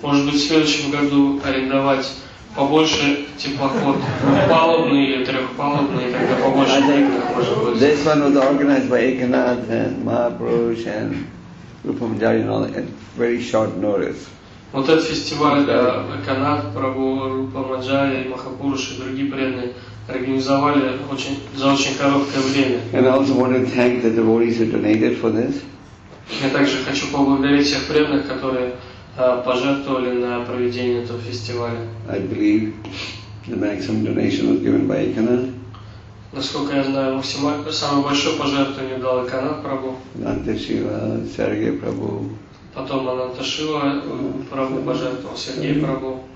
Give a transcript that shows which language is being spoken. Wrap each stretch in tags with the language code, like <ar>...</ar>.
<ru>Может быть, в следующем году арендовать побольше теплоход, палубный или трехпалубный, тогда побольше будет.</ru> <en>This one was organized by Ekanath and Mahaprabhu and Rupa Madhari and all at very short notice.</en> <ru>Вот этот фестиваль, да, Эканат, Прабху Рупа Маджари, Махапуруш и другие преданные организовали очень, за очень короткое время.</ru> <en>And I also want to thank the devotees who donated for this.</en> <ru>Я также хочу поблагодарить всех преданных, которые пожертвовали на проведение этого фестиваля.</ru> <en>I believe the maximum donation was given by Эканат.</en> <ru>Насколько я знаю, самое большое пожертвование дал Эканат Прабху. Нанте Шива, Сергей Прабху. Потом Ананта Шива, Прабху пожертвовал, Сергей Прабху.</ru>